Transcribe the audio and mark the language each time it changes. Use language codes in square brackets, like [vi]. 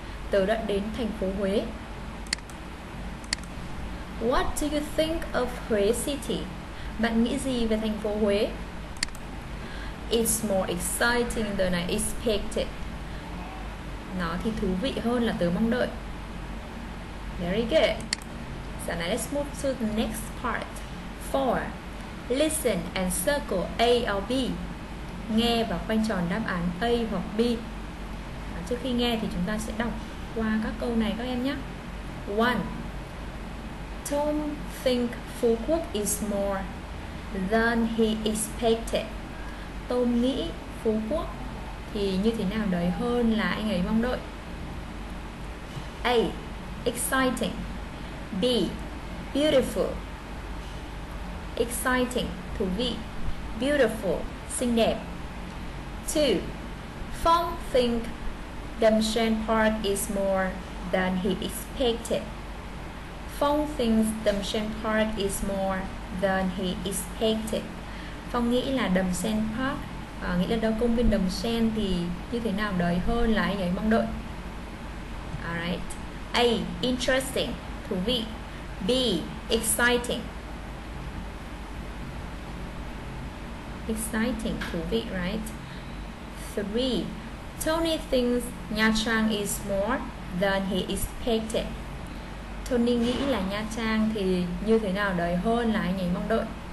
[vi] Tớ đã đến thành phố Huế. [en] What do you think of Huế City? [vi] Bạn nghĩ gì về thành phố Huế? [en] It's more exciting than I expected. [vi] Nó thì thú vị hơn là tớ mong đợi. [en] Very good. So now let's move to the next part. 4. Listen and circle A or B. [vi] Nghe và khoanh tròn đáp án A hoặc B. Và trước khi nghe thì chúng ta sẽ đọc qua các câu này các em nhé. 1. [en] Tom think Phú Quốc is more than he expected. [vi] Tom nghĩ Phú Quốc thì như thế nào đấy hơn là anh ấy mong đợi. [en] A. Exciting. B. Beautiful. [vi] Exciting, thú vị. Beautiful, xinh đẹp. 2. [en] Phong think Damshan Park is more than he expected. Phong thinks Damshan Park is more than he expected. [vi] Phong nghĩ là Damshan Park, nghĩ là đâu công viên Damshan thì như thế nào đấy hơn là anh ấy mong đợi. [en] Alright. A. Interesting, thú vị. B. Exciting. Exciting, thú vị, right? 3. Tony thinks Nha Trang is more than he expected. [vi] Tony nghĩ là Nha Trang thì như thế nào đấy hơn là anh ấy mong đợi.